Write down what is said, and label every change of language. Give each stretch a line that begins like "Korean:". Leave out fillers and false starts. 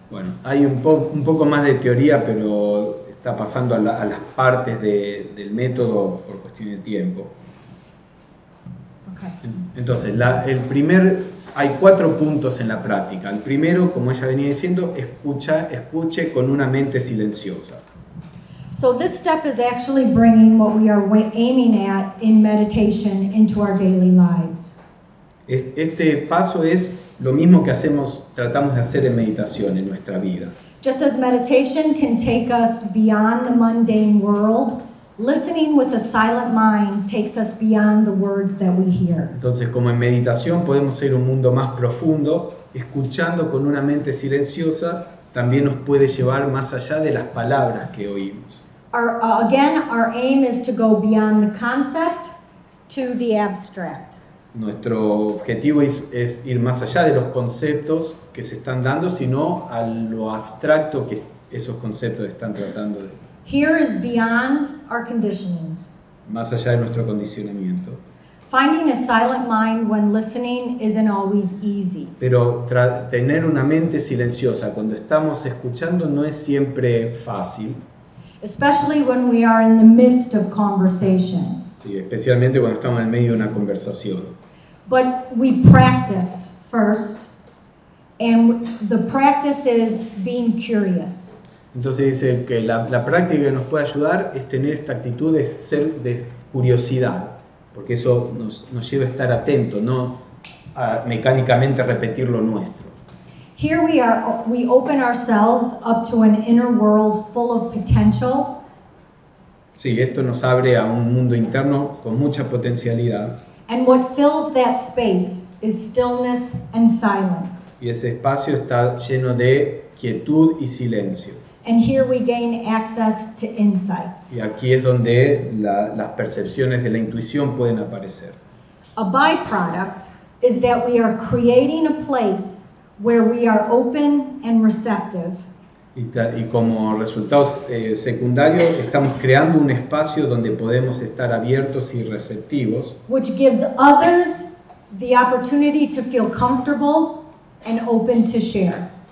Spanish: Bueno, hay un poco más de teoría, pero está pasando a las partes del método por cuestión de tiempo. Okay. Entonces, hay 4 puntos en la práctica. El primero, como ella venía diciendo, escuche con una mente silenciosa.
English: So this step is actually bringing what we are aiming at in meditation into our daily lives.
Spanish: Este paso es lo mismo que tratamos de hacer en meditación en nuestra vida.
English: Just as meditation can take us beyond the mundane world, listening with a silent mind takes us beyond the words that we hear.
Spanish: Entonces, como en meditación podemos ir a un mundo más profundo, escuchando con una mente silenciosa también nos puede llevar más allá de las palabras que oímos.
English: Our aim is to go beyond the concept to the abstract.
Spanish: Nuestro objetivo es ir más allá de los conceptos que se están dando, sino a lo abstracto que esos conceptos están tratando de.
English: Here is beyond our conditionings.
Spanish: más allá de nuestro condicionamiento.
English: Finding a silent mind when listening isn't always easy.
Spanish: Pero tener una mente silenciosa cuando estamos escuchando no es siempre fácil.
English: Especially when we are in the midst of conversation.
Spanish: Sí, especialmente cuando estamos en el medio de una conversación.
English: But we practice first, and the practice is being curious.
Spanish: Entonces dice que la práctica que nos puede ayudar es tener esta actitud de ser de curiosidad, porque eso nos lleva a estar atento, no a mecánicamente repetir lo nuestro.
English: Here we are, we open ourselves up to an inner world full of potential.
Spanish: Sí, esto nos abre a un mundo interno con mucha potencialidad.
English: And what fills that space is stillness and silence.
Spanish: Y ese espacio está lleno de quietud y silencio.
English: And here we gain access to insights.
Spanish: Y aquí es donde las percepciones de la intuición pueden aparecer.
English: A byproduct is that we are creating a place where we are open and receptive.
Spanish: Y como resultado secundario, estamos creando un espacio donde podemos estar abiertos y receptivos.
English: Which gives others the opportunity to feel comfortable and open to share.